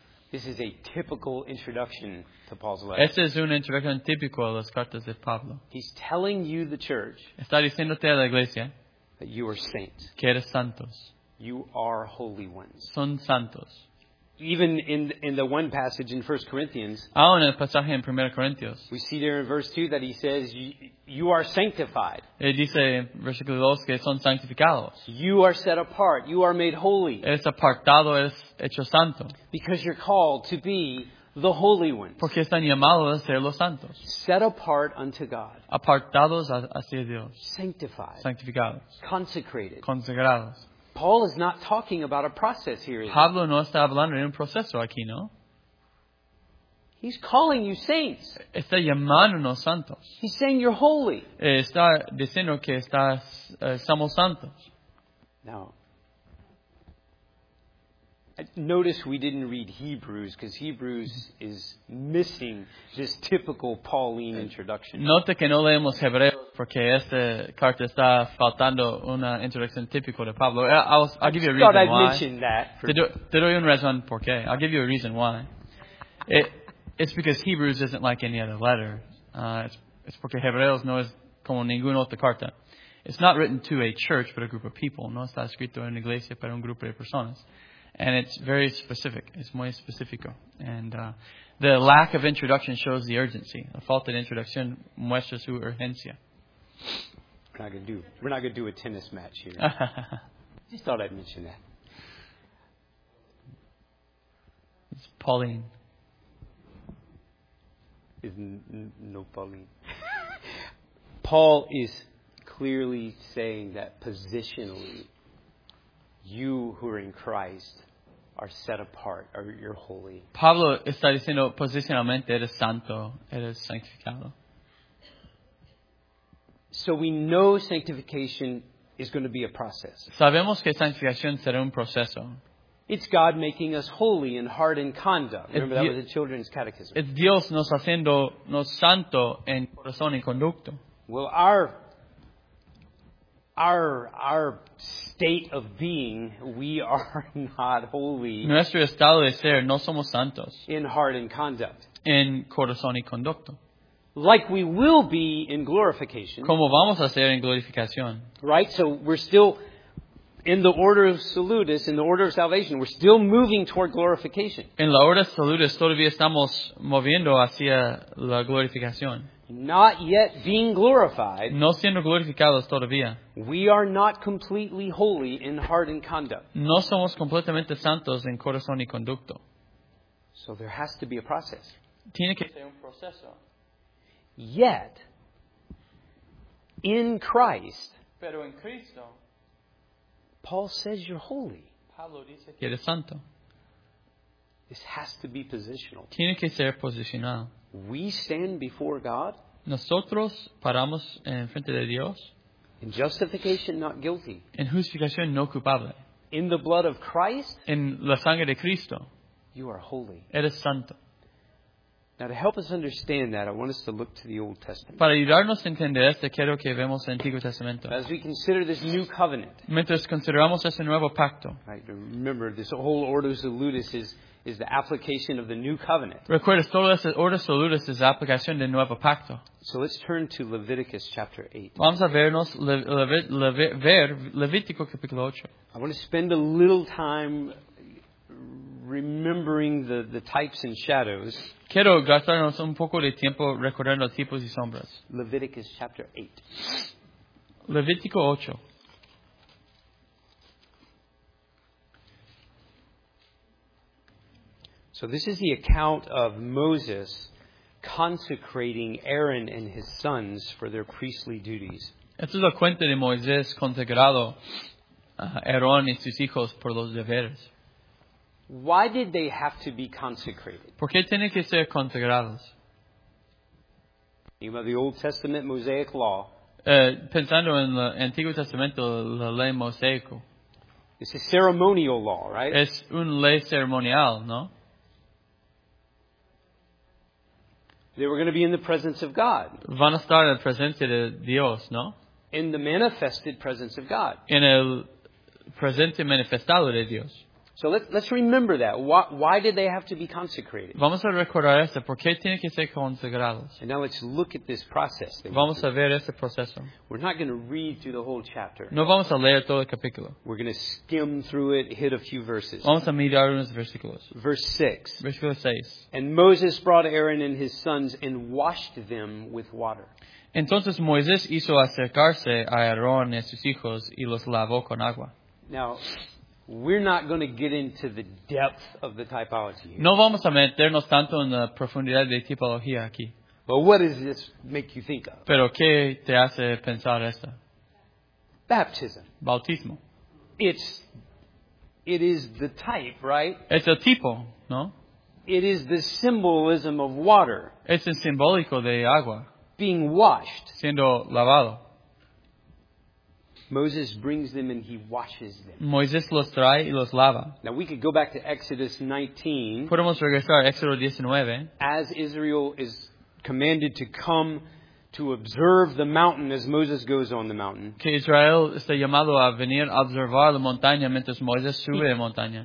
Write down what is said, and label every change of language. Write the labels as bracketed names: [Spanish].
[English] This is a typical introduction to Paul's letter. [Spanish] Esta es una introducción típica a las cartas de Pablo. [English] He's telling you, the church, [Spanish] está diciéndote a la iglesia, [English] that you are saints. [Spanish] Que eres santos. [English] You are holy ones. [Spanish] Son santos. [English] Even in the one passage in 1 Corinthians, [Spanish] ah, en el pasaje en 1 Corintios, [English] we see there in verse 2 that he says, you are sanctified. [Spanish] Él dice en versículo 2 que son santificados. [English] You are set apart. You are made holy. [Spanish] Eres apartado, eres hecho santo. [English] Because you're called to be the holy ones. [Spanish] Porque están llamados a ser los santos. [English] Set apart unto God. [Spanish] Apartados hacia Dios. [English] Sanctified. [Spanish] Sanctificados. [English] Consecrated. [Spanish] Consagrados. [English] Paul is not talking about a process here. [Spanish] Pablo no está hablando de un proceso aquí, ¿no? [English] He's calling you saints. [Spanish] Está llamándonos santos. [English] He's saying you're holy. [Spanish] Está diciendo que estamos santos. [English] Now, notice we didn't read Hebrews, because Hebrews is missing this typical Pauline introduction. [Spanish] Note que no leemos Hebreos. Porque esta carta está faltando una introducción típica de Pablo. [English] I'll give you a reason why. [Spanish] Te doy un razón por qué. [English] I'll give you a reason why. It's because Hebrews isn't like any other letter. It's [Spanish] porque Hebreos no es como ninguna otra carta. [English] It's not written to a church, but a group of people. [Spanish] No está escrito en una iglesia, pero un grupo de personas. [English] And it's very specific. It's [Spanish] muy específico. [English] And the lack of introduction shows the urgency. [Spanish] La falta de introducción muestra su urgencia. [English] We're not gonna do a tennis match here. Just thought I'd mention that. It's Pauline. Isn't no Pauline. Paul is clearly saying that positionally, you who are in Christ are set apart, or you're holy. [Spanish] Pablo está diciendo posicionalmente eres santo, eres santificado. [English] So we know sanctification is going to be a process. [Spanish] Sabemos que santificación será un proceso. [English] It's God making us holy in heart and conduct. Remember, that was the children's catechism. [Spanish] Es Dios nos haciendo nos santo en corazón y conducto. [English] Well, our state of being, we are not holy. [Spanish] Nuestro estado de ser, no somos santos. [English] In heart and conduct. [Spanish] En corazón y conducto. [English] Like we will be in glorification. [Spanish] Como vamos a ser en glorificación. [English] Right? So we're still in the order of salutis, in the order of salvation. We're still moving toward glorification. [Spanish] En la orden salutis todavía estamos moviendo hacia la glorificación. [English] Not yet being glorified. [Spanish] No siendo glorificados todavía. [English] We are not completely holy in heart and conduct. [Spanish] No somos completamente santos en corazón y conducto. [English] So there has to be a process. [Spanish] Tiene que ser un proceso. [English] Yet, in Christ, [Spanish] pero en Cristo, [English] Paul says you're holy. [Spanish] Pablo dice que eres santo. [English] This has to be positional. [Spanish] Tiene que ser posicional. [English] We stand before God. [Spanish] Nosotros paramos en frente de Dios. [English] In justification, not guilty. [Spanish] En justificación, no culpable. [English] In the blood of Christ. [Spanish] En la sangre de Cristo. [English] You are holy. [Spanish] Eres santo. [English] Now, to help us understand that, I want us to look to the Old Testament. [Spanish] Para ayudarnos a entender esto, quiero que veamos el Antiguo Testamento. [English] As we consider this new covenant. [Spanish] Mientras consideramos este nuevo pacto. [English] Right, remember, this whole Ordo Salutis is the application of the new covenant. [Spanish] Recuerda, todo este Ordo Salutis es la aplicación del nuevo pacto. [English] So let's turn to Leviticus chapter 8. [Spanish] Vamos a vernos Levítico capítulo 8. [English] I want to spend a little time remembering the types and shadows. [Spanish] Quiero gastarnos un poco de tiempo recordando tipos y sombras. [English] Leviticus chapter 8. [Spanish] Levítico 8. [English] So this is the account of Moses consecrating Aaron and his sons for their priestly duties. [Spanish] Esto es la cuenta de Moisés consagrado a Aarón y sus hijos por los deberes. [English] Why did they have to be consecrated? [Spanish] ¿Por qué tienen que ser consagrados? [English] You know, the Old Testament Mosaic law. [Spanish] Pensando en el Antiguo Testamento, la ley mosaico. [English] It's a ceremonial law, right? [Spanish] Es una ley ceremonial, ¿no? [English] They were going to be in the presence of God. [Spanish] Van a estar en la presencia de Dios, ¿no? [English] In the manifested presence of God. [Spanish] En el presente manifestado de Dios. [English] So let's remember that. Why did they have to be consecrated? [Spanish] Vamos a recordar esto. ¿Por qué tienen que ser consagrados? [English] And now let's look at this process. [Spanish] Vamos a ver este proceso. [English] We're not going to read through the whole chapter. [Spanish] No vamos a leer todo el capítulo. [English] We're going to skim through it, hit a few verses. [Spanish] Vamos a mirar unos versículos. [English] Verse 6. [Spanish] Versículo 6. [English] And Moses brought Aaron and his sons and washed them with water. [Spanish] Entonces Moisés hizo acercarse a Aarón y a sus hijos y los lavó con agua. [English] Now, we're not going to get into the depth of the typology here. [Spanish] No vamos a meternos tanto en la profundidad de tipología aquí. [English] But what does this make you think of? [Spanish] Pero ¿qué te hace pensar esto? [English] Baptism. [Spanish] Bautismo. [English] It is the type, right? [Spanish] Es el tipo, ¿no? [English] It is the symbolism of water. [Spanish] Es el simbólico de agua. [English] Being washed. [Spanish] Siendo lavado. [English] Moses brings them and he washes them. [Spanish] Moisés los trae y los lava. [English] Now we could go back to Exodus 19. [Spanish] Podemos regresar a Éxodo 19. [English] As Israel is commanded to come to observe the mountain as Moses goes on the mountain. [Spanish] Que Israel está llamado a venir a observar la montaña mientras Moisés sube la montaña.